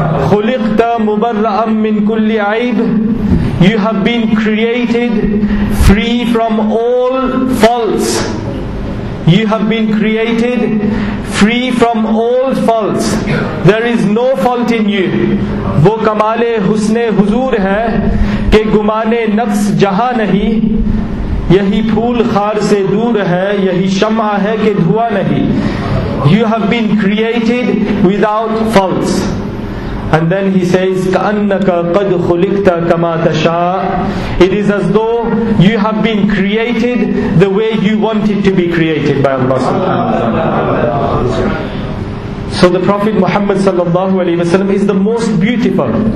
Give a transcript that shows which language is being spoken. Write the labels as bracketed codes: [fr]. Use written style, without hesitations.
[ar] خُلِقْتَ مُبَرَّأً مِنْ كُلِّ عَيْبٍ, [en] you have been created free from all faults. You have been created free from all faults. There is no fault in you. [ur] وہ کمالِ حسنِ حضور ہے کہ گمانِ نفس جہاں نہیں, یہی پھول خار سے دور ہے, یہی شمع ہے کہ دھوا نہیں. [en] You have been created without faults. And then he says, [ar] كَأَنَّكَ قَدْ خُلِقْتَ كَمَا تَشَاءُ. [en] It is as though you have been created the way you wanted to be created by Allah subhanahu wa ta'ala. So the Prophet Muhammad sallallahu alayhi wa sallam is the most beautiful.